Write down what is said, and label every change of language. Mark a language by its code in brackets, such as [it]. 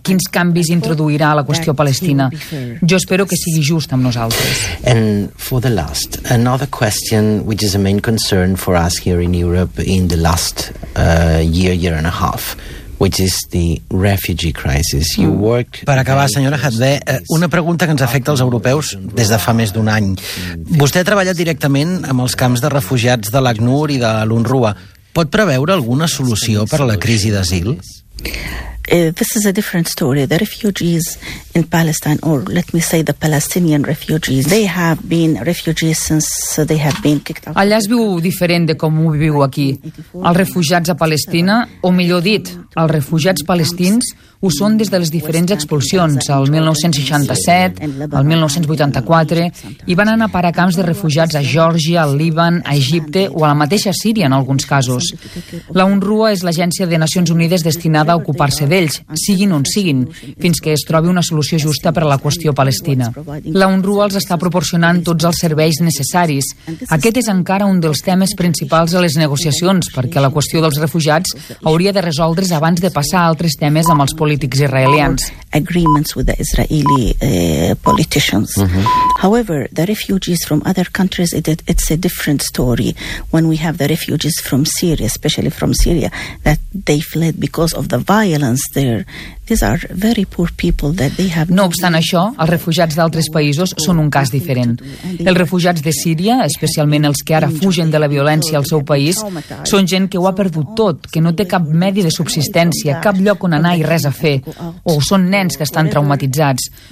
[ca] Quins canvis introduirà a la qüestió palestina? Jo espero que sigui just amb nosaltres. [en] And for the last, another question which is a main concern for us here in Europe in the last year and a half, which is the refugee crisis. You work... [ca] Per acabar, senyora Hadbé, una pregunta que ens afecta als europeus des de fa més d'un any. Vostè ha treballat directament amb els camps de refugiats de l'ACNUR i de l'UNRWA. Pot preveure alguna solució per a la crisi d'asil? [en] This is a different story. The refugees in Palestine, or let me say the Palestinian refugees, they have been refugees since they have been kicked out. [ca] Allà es viu diferent de com ho viu aquí. Els refugiats a Palestina, o millor dit, els refugiats palestins, ho són des de les diferents expulsions, el 1967, el 1984, i van anar a parar camps de refugiats a Geòrgia, al Líban, a Egipte o a la mateixa Síria en alguns casos. La UNRWA és l'agència de Nacions Unides destinada a ocupar-se d'ells, siguin on siguin, fins que es trobi una solució justa per a la qüestió palestina. La UNRWA els està proporcionant tots els serveis necessaris. Aquest és encara un dels temes principals a les negociacions, perquè la qüestió dels refugiats hauria de resoldre's abans de passar a altres temes amb els polítics israelians. [en] Agreements with the Israeli politicians. However, the refugees from other countries, it's a different story. When we have the refugees from Syria, especially from Syria, that they fled because of the violence there. These are very poor people that they have. [ca] No obstant això, els refugiats d'altres països són un cas diferent. Els refugiats de Síria, especialment els que ara fugen de la violència al seu país, són gent que ho ha perdut tot, que no té cap medi de subsistència, cap lloc on anar i res a fer, o són nens que estan traumatitzats.